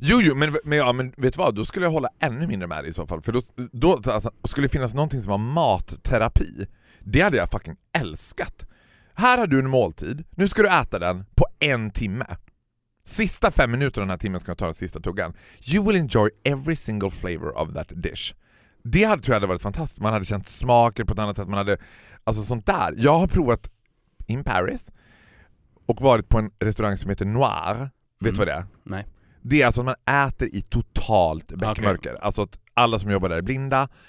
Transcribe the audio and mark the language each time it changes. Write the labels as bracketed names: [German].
[Swedish] Jo, men vet du vad? Då skulle jag hålla ännu mindre med dig i så fall. För då alltså, skulle det finnas någonting som var matterapi. Det hade jag fucking älskat. Här har du en måltid. Nu ska du äta den på 1 timme. Sista 5 minuterna den här timmen ska jag ta den sista tuggan. [English] You will enjoy every single flavor of that dish. [Swedish] Det hade, tror jag, hade varit fantastiskt. Man hade känt smaker på ett annat sätt. Man hade, alltså sånt där. Jag har provat in Paris och varit på en restaurang som heter Noir. Vet du vad det är? Nej. Det är alltså att man äter i totalt beckmörker. Okay. Alltså att alla som jobbar där är blinda.